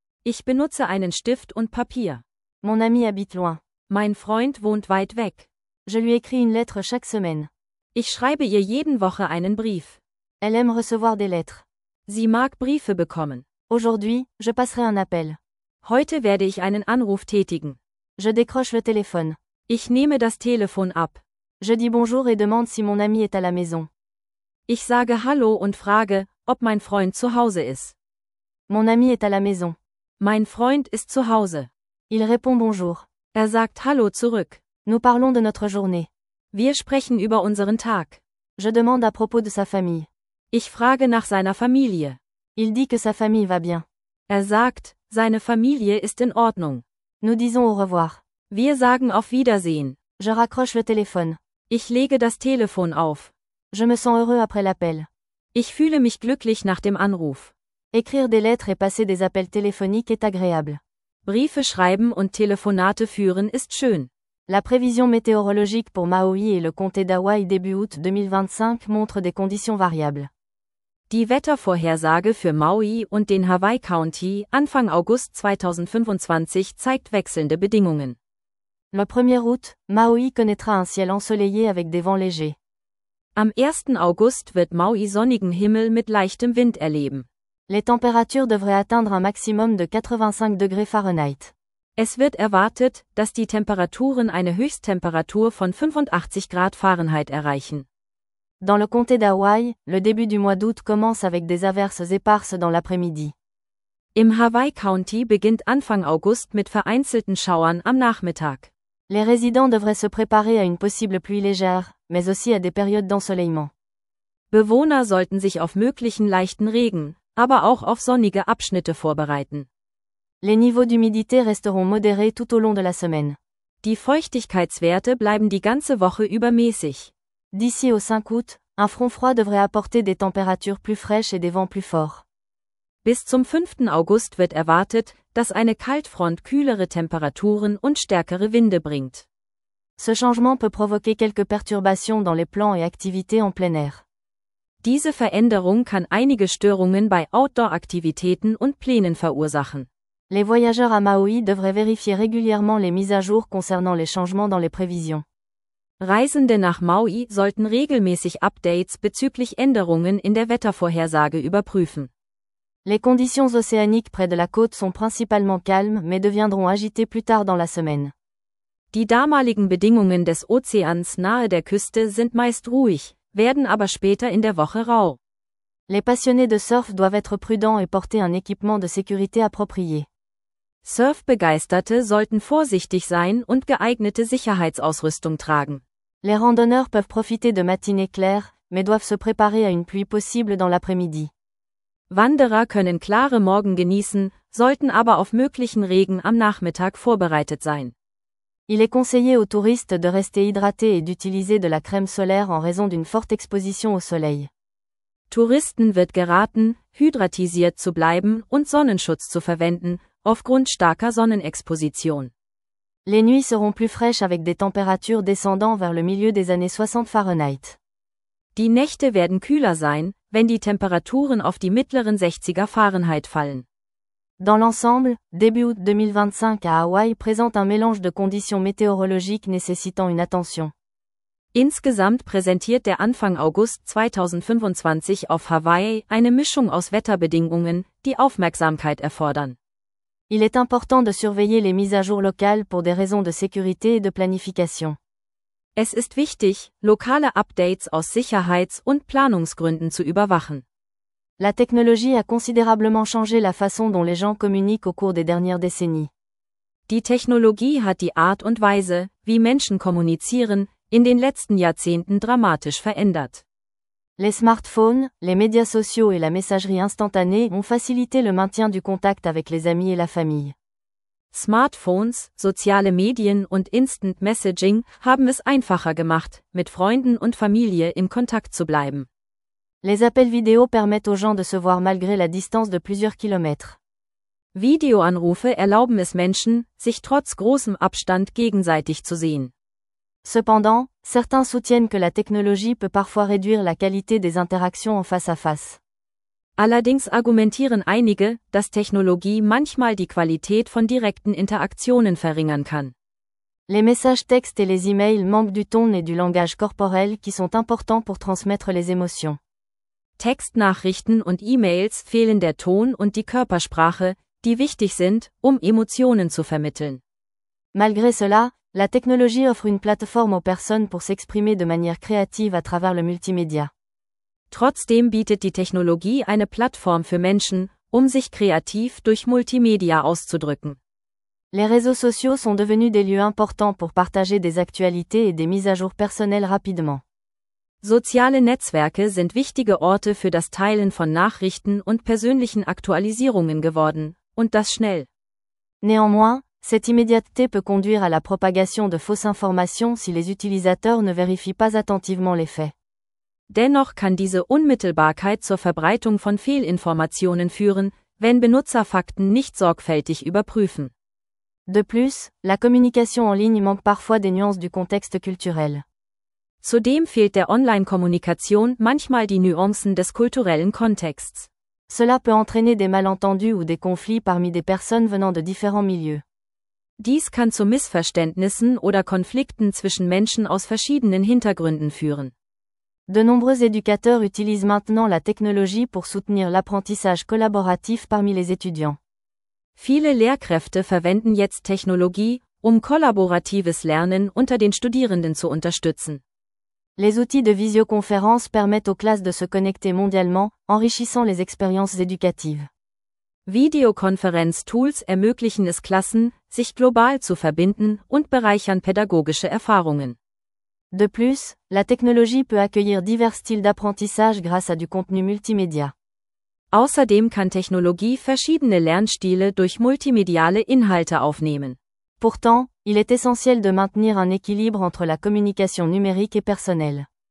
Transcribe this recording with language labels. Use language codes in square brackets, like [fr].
[de] Ich benutze einen Stift und Papier. [fr] Mon ami habite loin. [de] Mein Freund wohnt weit weg. [fr] Je lui écris une lettre chaque semaine. [de] Ich schreibe ihr jede Woche einen Brief. [fr] Elle aime recevoir des lettres. [de] Sie mag Briefe bekommen. [fr] Aujourd'hui, je passerai un appel. [de] Heute werde ich einen Anruf tätigen. [fr] Je décroche le téléphone. [de] Ich nehme das Telefon ab. [fr] Je dis bonjour et demande si mon ami est à la maison. [de] Ich sage hallo und frage, ob mein Freund zu Hause ist. [fr] Mon ami est à la maison. [de] Mein Freund ist zu Hause. [fr] Il répond bonjour. [de] Er sagt hallo zurück. [fr] Nous parlons de notre journée. [de] Wir sprechen über unseren Tag. [fr] Je demande à propos de sa famille. [de] Ich frage nach seiner Familie. [fr] Il dit que sa famille va bien. [de] Er sagt, seine Familie ist in Ordnung. [fr] Nous disons au revoir. [de] Wir sagen auf Wiedersehen. [fr] Je raccroche le téléphone. [de] Ich lege das Telefon auf. [fr] Je me sens heureux après l'appel. [de] Ich fühle mich glücklich nach dem Anruf. [fr] Écrire des lettres et passer des appels téléphoniques est agréable. [de] Briefe schreiben und Telefonate führen ist schön. [fr] La prévision météorologique pour Maui et le comté d'Hawaï début août 2025 montre des conditions variables. [de] Die Wettervorhersage für Maui und den Hawaii County Anfang August 2025 zeigt wechselnde Bedingungen. [fr] Le 1er août, Maui connaîtra un ciel ensoleillé avec des vents légers. [de] Am 1. August wird Maui sonnigen Himmel mit leichtem Wind erleben. [fr] Les températures devraient atteindre un maximum de 85 degrés Fahrenheit. [de] Es wird erwartet, dass die Temperaturen eine Höchsttemperatur von 85 Grad Fahrenheit erreichen. [fr] Dans le comté d'Hawaï, le début du mois d'août commence avec des averses éparses dans l'après-midi. [de] Im Hawaii County beginnt Anfang August mit vereinzelten Schauern am Nachmittag. [fr] Les résidents devraient se préparer à une possible pluie légère, mais aussi à des périodes d'ensoleillement. [de] Bewohner sollten sich auf möglichen leichten Regen, aber auch auf sonnige Abschnitte vorbereiten. [fr] Les niveaux d'humidité resteront modérés tout au long de la semaine. [de] Die Feuchtigkeitswerte bleiben die ganze Woche über mäßig. [fr] D'ici au 5 août, un front froid devrait apporter des températures plus fraîches et des vents plus forts. [de] Bis zum 5. August wird erwartet, dass eine Kaltfront kühlere Temperaturen und stärkere Winde bringt. [fr] Ce changement peut provoquer quelques perturbations dans les plans et activités en plein air. [de] Diese Veränderung kann einige Störungen bei Outdoor-Aktivitäten und Plänen verursachen. [fr] Les voyageurs à Maui devraient vérifier régulièrement les mises à jour concernant les changements dans les prévisions. [de] Reisende nach Maui sollten regelmäßig Updates bezüglich Änderungen in der Wettervorhersage überprüfen. [fr] Les conditions océaniques près de la côte sont principalement calmes, mais deviendront agitées plus tard dans la semaine. [de] Die damaligen Bedingungen des Ozeans nahe der Küste sind meist ruhig, werden aber später in der Woche rau. [fr] Les passionnés de surf doivent être prudents et porter un équipement de sécurité approprié. [de] Surfbegeisterte sollten vorsichtig sein und geeignete Sicherheitsausrüstung tragen. [fr] Les randonneurs peuvent profiter de matinées claires, mais doivent se préparer à une pluie possible dans l'après-midi. [de] Wanderer können klare Morgen genießen, sollten aber auf möglichen Regen am Nachmittag vorbereitet sein. [fr] Il est conseillé aux touristes de rester hydratés et d'utiliser de la crème solaire en raison d'une forte exposition au soleil. [de] Touristen wird geraten, hydratisiert zu bleiben und Sonnenschutz zu verwenden, aufgrund starker Sonnenexposition. [fr] Les nuits seront plus fraîches avec des températures descendant vers le milieu des années 60 Fahrenheit. [de] Die Nächte werden kühler sein, wenn die Temperaturen auf die mittleren 60er Fahrenheit fallen. [fr] Dans l'ensemble, début août 2025 à Hawaï présente un mélange de conditions météorologiques nécessitant une attention. [de] Insgesamt präsentiert der Anfang August 2025 auf Hawaii eine Mischung aus Wetterbedingungen, die Aufmerksamkeit erfordern. [fr] Il est important de surveiller les mises à jour locales pour des raisons de sécurité et de planification. [de] Es ist wichtig, lokale Updates aus Sicherheits- und Planungsgründen zu überwachen. [fr] La technologie a considérablement changé la façon dont les gens communiquent au cours des dernières décennies. [de] Die Technologie hat die Art und Weise, wie Menschen kommunizieren, in den letzten Jahrzehnten dramatisch verändert. [fr] Les smartphones, les médias sociaux et la messagerie instantanée ont facilité le maintien du contact avec les amis et la famille. [de] Smartphones, soziale Medien und Instant Messaging haben es einfacher gemacht, mit Freunden und Familie in Kontakt zu bleiben. [fr] Les appels vidéo permettent aux gens de se voir malgré la distance de plusieurs kilomètres. [de] Videoanrufe erlauben es Menschen, sich trotz großem Abstand gegenseitig zu sehen. [fr] Cependant, certains soutiennent que la technologie peut parfois réduire la qualité des interactions en face à face. [de] Allerdings argumentieren einige, dass Technologie manchmal die Qualität von direkten Interaktionen verringern kann. [fr] Les messages textes et les emails manquent du ton et du langage corporel qui sont importants pour transmettre les émotions. [de] Textnachrichten und E-Mails fehlen der Ton und die Körpersprache, die wichtig sind, um Emotionen zu vermitteln. [fr] Malgré cela, la technologie offre une plateforme aux personnes pour s'exprimer de manière créative à travers le multimédia. [de] Trotzdem bietet die Technologie eine Plattform für Menschen, um sich kreativ durch Multimedia auszudrücken. [fr] Les réseaux sociaux sont devenus des lieux importants pour partager des actualités et des mises à jour personnelles rapidement. [de] Soziale Netzwerke sind wichtige Orte für das Teilen von Nachrichten und persönlichen Aktualisierungen geworden, und das schnell. [fr] Néanmoins, cette immédiateté peut conduire à la propagation de fausses informations si les utilisateurs ne vérifient pas attentivement les faits. [de] Dennoch kann diese Unmittelbarkeit zur Verbreitung von Fehlinformationen führen, wenn Benutzer Fakten nicht sorgfältig überprüfen. [fr] De plus, la communication en ligne manque parfois des nuances du contexte culturel. [de] Zudem fehlt der Online-Kommunikation manchmal die Nuancen des kulturellen Kontexts. [fr] Cela peut entraîner des malentendus ou des conflits parmi des personnes venant de différents milieux. [de] Dies kann zu Missverständnissen oder Konflikten zwischen Menschen aus verschiedenen Hintergründen führen. [fr] De nombreux éducateurs utilisent maintenant la technologie pour soutenir l'apprentissage collaboratif parmi les étudiants. [de] Viele Lehrkräfte verwenden jetzt Technologie, um kollaboratives Lernen unter den Studierenden zu unterstützen. [fr] Les outils de visioconférence permettent aux classes de se connecter mondialement, enrichissant les expériences éducatives. [de] Videokonferenztools ermöglichen es Klassen, sich global zu verbinden und bereichern pädagogische Erfahrungen. [fr] De plus, la technologie peut accueillir divers styles d'apprentissage grâce à du contenu multimédia. [de] Außerdem kann Technologie verschiedene Lernstile durch multimediale Inhalte aufnehmen. [fr] Pourtant, il est essentiel de maintenir un équilibre entre la communication numérique et personnelle.